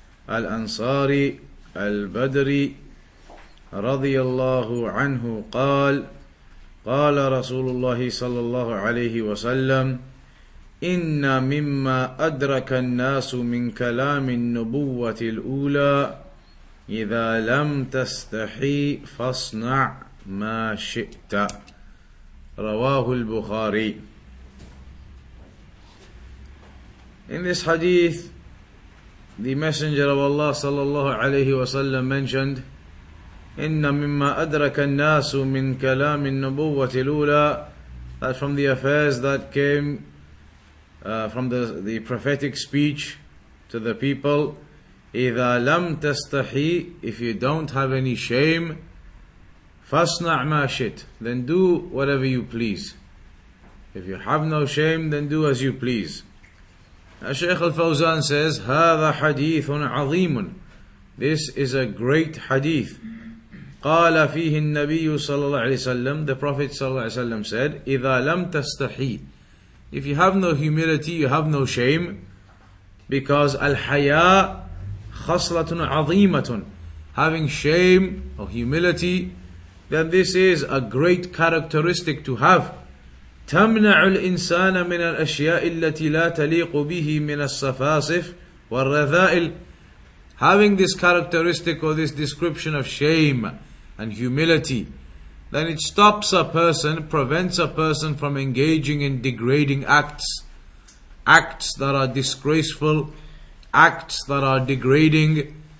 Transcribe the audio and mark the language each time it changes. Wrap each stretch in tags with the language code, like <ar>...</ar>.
<ar>الأنصاري البدري رضي الله عنه قال قال رسول الله صلى الله عليه وسلم إن مما أدرك الناس من كلام النبوة الأولى إذا لم تستحي فاصنع ما شئت رواه البخاري.</ar> <en>In this hadith, the Messenger of Allah sallallahu alayhi wa sallam mentioned,</en> <ar>إِنَّ مِمَّا أَدْرَكَ النَّاسُ مِنْ كَلَامِ النَّبُوَّةِ الْأُولَى,</ar> <en>that from the affairs that came from the prophetic speech to the people,</en> <ar>إِذَا لَمْ تَسْتَحِي,</ar> <en>if you don't have any shame,</en> <ar>فَاسْنَعْ مَا شِتْ,</ar> <en>then do whatever you please. If you have no shame, then do as you please. Shaykh al-Fawzan says,</en> <ar>هذا حديث عظيم.</ar> <en>This is a great hadith.</en> <ar>قال فيه النبي صلى الله عليه وسلم,</ar> <en>the Prophet صلى الله عليه وسلم said,</en> <ar>إذا لم تستحي,</ar> <en>if you have no humility, you have no shame, because</en> <ar>الحياء خصلة عظيمة,</ar> <en>having shame or humility, then this is a great characteristic to have.</en> <ar>تمنع الإنسان من الأشياء التي لا تليق به من الصفاصف والرذائل.</ar> <en>Having this characteristic or this description of shame and humility, then it stops a person, prevents a person from engaging in degrading acts, acts that are disgraceful, acts that are degrading.</en>